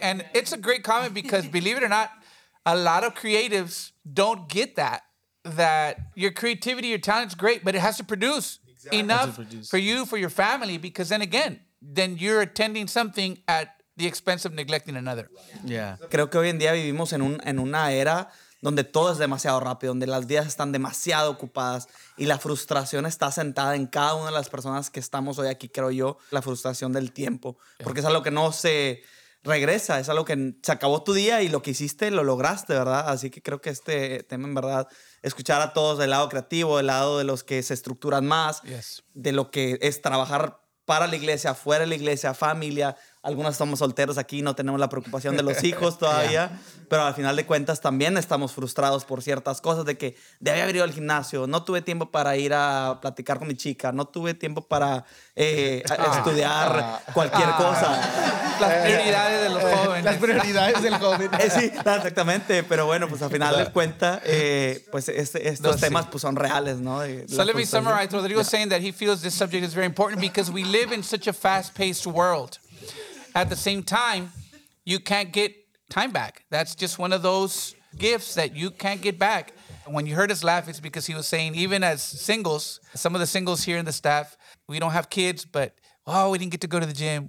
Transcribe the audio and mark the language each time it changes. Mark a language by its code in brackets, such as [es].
[en] And it's a great comment because, believe it or not, a lot of creatives don't get that. That your creativity, your talent's great, but it has to produce enough for you, for your family. Because then again, then you're attending something at the expense of neglecting another. Yeah. [es] Creo que hoy en día vivimos en una era donde todo es demasiado rápido, donde las vidas están demasiado ocupadas y la frustración está sentada en cada una de las personas que estamos hoy aquí, creo yo, la frustración del tiempo, porque es algo que no se regresa, es algo que se acabó tu día y lo que hiciste lo lograste, ¿verdad? Así que creo que este tema, en verdad, escuchar a todos del lado creativo, del lado de los que se estructuran más, de lo que es trabajar para la iglesia, fuera de la iglesia, familia. Algunos estamos solteros aquí, no tenemos la preocupación de los hijos todavía, pero al final de cuentas también estamos frustrados por ciertas cosas de que debí haber ido al gimnasio, no tuve tiempo para ir a platicar con mi chica, no tuve tiempo para estudiar cualquier cosa. Las prioridades de los jóvenes. Las prioridades del joven. Sí, exactamente, pero bueno, pues al final de cuentas, pues estos temas pues son reales, ¿no? [en] So let me summarize. Rodrigo saying that he feels this subject is very important because we live in such a fast-paced world. At the same time, you can't get time back. That's just one of those gifts that you can't get back. When you heard us laugh, it's because he was saying, even as singles, some of the singles here in the staff, we don't have kids, but, oh, we didn't get to go to the gym.